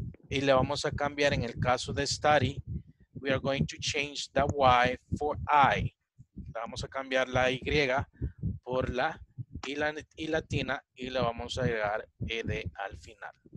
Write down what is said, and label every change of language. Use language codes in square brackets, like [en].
[es] Y le vamos a cambiar en el caso de study. [en] We are going to change the Y for I. [es] Vamos a cambiar la Y por la I y latina y le vamos a agregar ED al final.